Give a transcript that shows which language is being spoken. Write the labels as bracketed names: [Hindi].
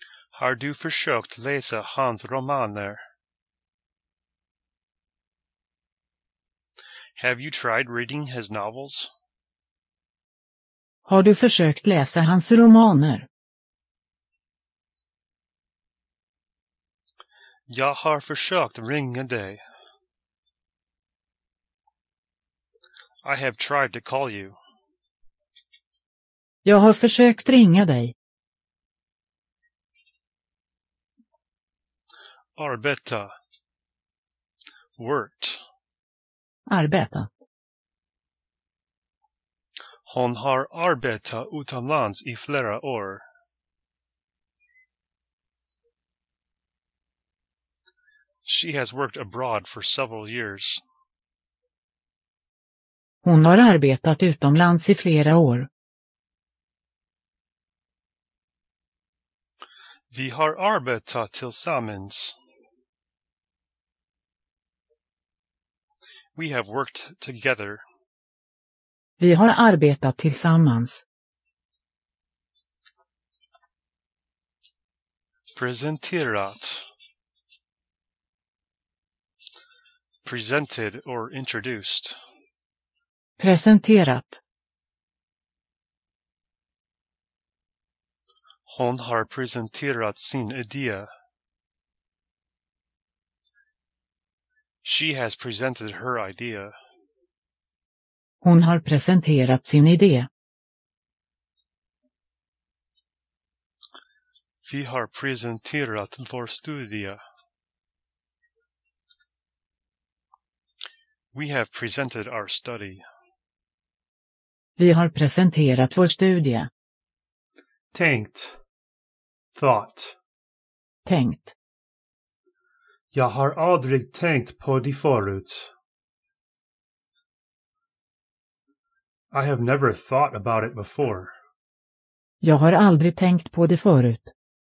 [Swedish] Har du försökt läsa hans romaner? [English] Have you tried reading his novels? [Swedish] Har du försökt läsa hans romaner? Jag har försökt ringa dig. [English] I have tried to call you. [Swedish] Jag har försökt ringa dig. Arbeta. Worked. Arbeta. Hon har arbetat utomlands i flera år. [English] She has worked abroad for several years. [Swedish] Hon har arbetat utomlands i flera år. Vi har arbetat tillsammans. [English] We have worked together. [Swedish] Vi har arbetat tillsammans. Presenterat. [English] Presented or introduced. [Swedish] Presenterat. Hon har presenterat sin idé. [English] She has presented her idea. [Swedish] Hon har presenterat sin idé. Vi har presenterat vår studie. [English] We have presented our study. [Swedish] Vi har presenterat vår studie. Tänkt. Thought. Tänkt. Jag har aldrig tänkt på det förut. [English] I have never thought about it before. [Swedish] Jag har aldrig tänkt på det förut.